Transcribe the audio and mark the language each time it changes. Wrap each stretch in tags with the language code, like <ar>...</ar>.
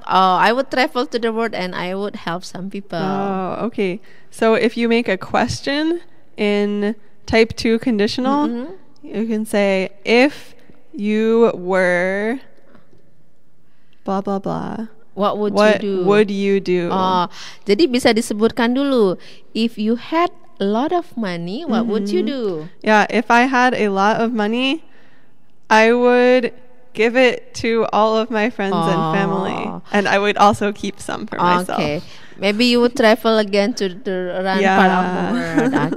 <en>I would travel to the world and I would help some people. Oh, okay. So if you make a question in type 2 conditional, you can say, if you were blah blah blah, what would you do?</en> <id>Jadi bisa disebutkan dulu.</id> <en>If you had a lot of money, what would you do? Yeah, if I had a lot of money, I would give it to all of my friends and family, and I would also keep some for myself. Okay, maybe you would travel again to run part of the world.</en>